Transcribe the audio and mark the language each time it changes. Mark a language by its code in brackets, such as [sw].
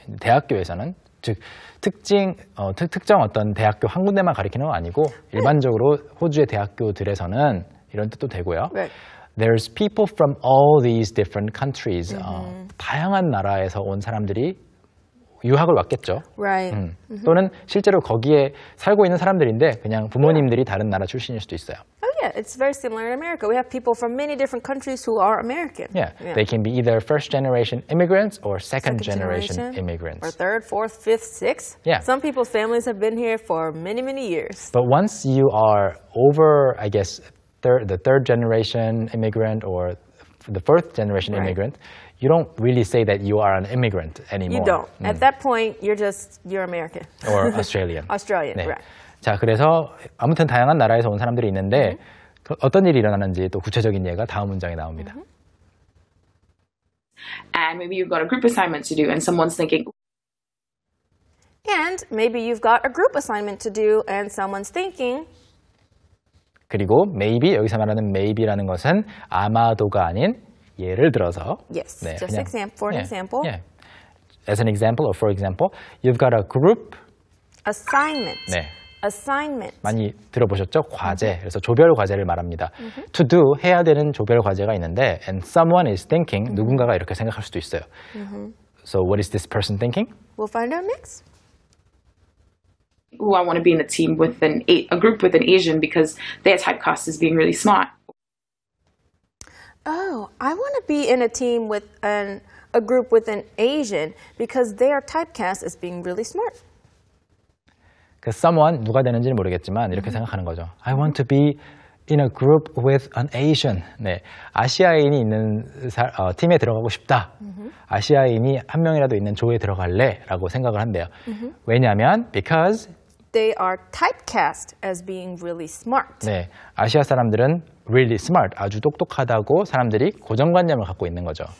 [ko] 대학교에서는 즉 특징 특정 어떤 대학교 한 군데만 가리키는 건 아니고 일반적으로 호주의 대학교들에서는 이런 뜻도 되고요. [en] There's people from all these different countries. [ko] 다양한 나라에서 온 사람들이 유학을 왔겠죠. [en] Right. [ko] 또는 실제로 거기에 살고 있는 사람들인데 그냥 부모님들이 다른 나라 출신일 수도 있어요. [en] Oh yeah, it's very similar in America. We have people from many different countries who are American. Yeah, yeah. They can be either first generation immigrants or second generation immigrants. Or third, fourth, fifth, sixth. Yeah. Some people's families have been here for many, many years. But once you are over, I guess, the third generation immigrant or the fourth generation immigrant, you don't really say that you are an immigrant anymore. You don't. At that point, you're American. Or Australian. Australian, 네. right. [ko] 자, 그래서 아무튼 다양한 나라에서 온 사람들이 있는데 어떤 일이 일어나는지 또 구체적인 예가 다음 문장에 나옵니다. [en] And maybe you've got a group assignment to do and someone's thinking... And maybe you've got a group assignment to do and someone's thinking... [ko] 그리고 maybe, 여기서 말하는 maybe라는 것은 아마도가 아닌 예를 들어서 [en] Yes, 네, just 그냥, example, for an example. Yeah. As an example or for example, you've got a group... Assignment. [ko] 네. [en] Assignment. [ko] 많이 들어보셨죠? 과제. 그래서 조별 과제를 말합니다. [en] To do, [ko] 해야 되는 조별 과제가 있는데 [en] and someone is thinking, [ko] 누군가가 이렇게 생각할 수도 있어요. [en] So what is this person thinking? We'll find out next. Ooh, I want to be in a team with a group with an Asian because their typecast is being really smart. Oh, I want to be in a team with a group with an Asian because their typecast is being really smart. [ko] 그 someone 누가 되는지는 모르겠지만 이렇게 생각하는 거죠. [en] I want to be in a group with an Asian. [ko] 네, 아시아인이 있는 팀에 들어가고 싶다. 아시아인이 한 명이라도 있는 조에 들어갈래? 라고 생각을 한대요. 왜냐하면 [en] because they are typecast as being really smart. [ko] 네, 아시아 사람들은 [en] really smart, [ko] 아주 똑똑하다고 사람들이 고정관념을 갖고 있는 거죠.